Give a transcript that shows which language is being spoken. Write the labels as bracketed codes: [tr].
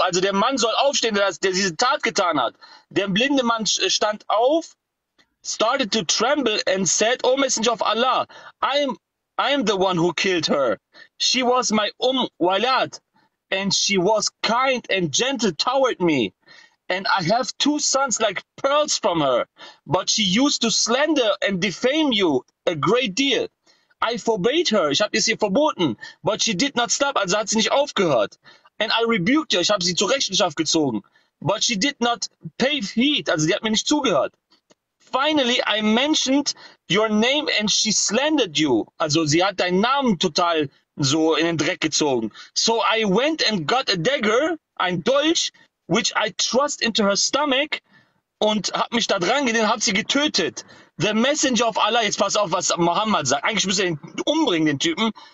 [de] Also der Mann soll aufstehen, der diese Tat getan hat. Der blinde Mann stand auf, [en] started to tremble and said, O Messenger of Allah, I am the one who killed her. She was my walad. And she was kind and gentle toward me. And I have two sons like pearls from her. But she used to slander and defame you a great deal. I forbade her. [de] Ich habe es ihr verboten. [en] But she did not stop. [de] Also hat sie nicht aufgehört. [en] And I rebuked her. [de] Ich habe sie zur Rechenschaft gezogen. [en] But she did not pay heed. [de] Also die hat mir nicht zugehört. [en] Finally, I mentioned your name and she slandered you. [de] Also sie hat deinen Namen total so in den Dreck gezogen. [en] So I went and got a dagger, [de] ein Dolch, [en] which I thrust into her stomach, [de] und hab mich da dran gedehnt, hab sie getötet. [en] The Messenger of Allah, [de] jetzt pass auf, was Muhammad sagt. Eigentlich müsste er ihn umbringen, den Typen.